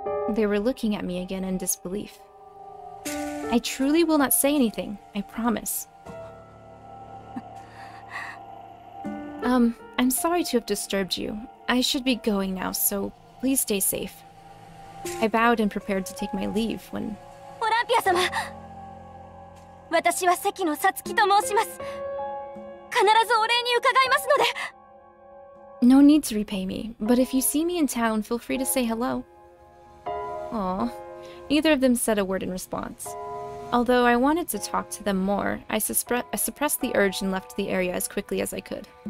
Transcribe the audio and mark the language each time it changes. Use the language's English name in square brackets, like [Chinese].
[English] They were looking at me again in disbelief. I truly will not say anything, I promise. I'm sorry to have disturbed you. I should be going now, so please stay safe. I bowed and prepared to take my leave when... Olympia-sama! [Japanese] 私は席のさつきと申します!必ずお礼に伺いますので! [English] No need to repay me, but if you see me in town, feel free to say hello. Aww. Neither of them said a word in response. Although I wanted to talk to them more, I suppressed the urge and left the area as quickly as I could.